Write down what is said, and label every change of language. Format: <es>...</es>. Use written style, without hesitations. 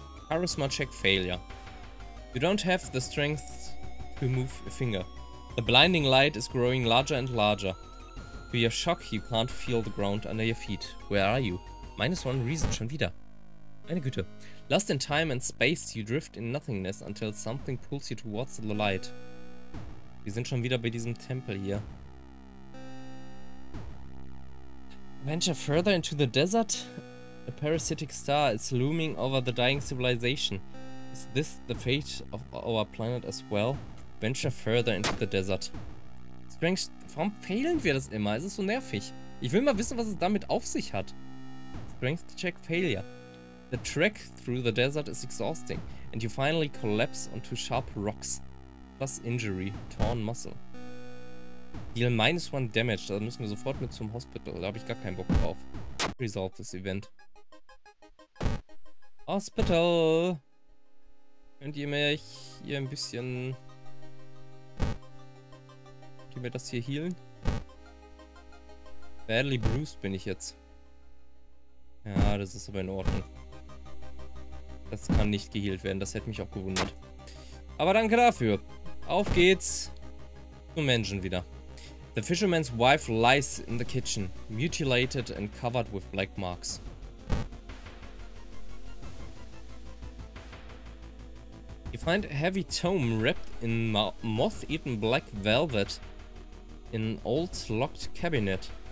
<en>Charisma check failure. You don't have the strength to move a finger. The blinding light is growing larger and larger. To your shock, you can't feel the ground under your feet. Where are you? Minus one reason,</en> <de>schon wieder. Meine Güte.</de> <en>Lost in time and space, you drift in nothingness until something pulls you towards the light.</en> <de>Wir sind schon wieder bei diesem Tempel hier.</de> <en>Venture further into the desert? A parasitic star is looming over the dying civilization. Is this the fate of our planet as well? Venture further into the desert.</en> <de>Strange, warum failen wir das immer? Es ist so nervig. Ich will mal wissen, was es damit auf sich hat.</de> <en>Strength check failure. The trek through the desert is exhausting, and you finally collapse onto sharp rocks. Plus injury, torn muscle. Deal minus one damage,</en> <de>da müssen wir sofort mit zum Hospital, da habe ich gar keinen Bock drauf.</de> <en>Resolve this event.</en> <de>Hospital. Könnt ihr mir hier ein bisschen... Könnt ihr mir das hier healen? Badly bruised bin ich jetzt. Ja, das ist aber in Ordnung. Das kann nicht geheilt werden, das hätte mich auch gewundert. Aber danke dafür. Auf geht's. Zum Menschen wieder.</de> <en>The fisherman's wife lies in the kitchen, mutilated and covered with black marks. You find a heavy tome wrapped in moth-eaten black velvet in an old locked cabinet.</en>